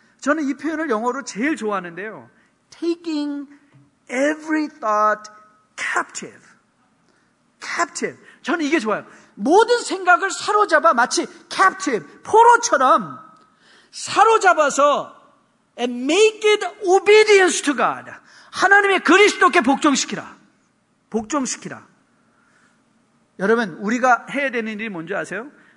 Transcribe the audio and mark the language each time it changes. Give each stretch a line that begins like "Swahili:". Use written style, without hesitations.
Korean: 저는 이 표현을 영어로 제일 좋아하는데요.
English: Taking every thought captive.
Korean: Captive. 저는 이게 좋아요. 모든 생각을 사로잡아 마치 captive, 포로처럼 사로잡아서
English: and make it obedience to God.
Korean: 하나님의 그리스도께 복종시키라. 여러분, 우리가 해야 되는 일이 뭔지 아세요?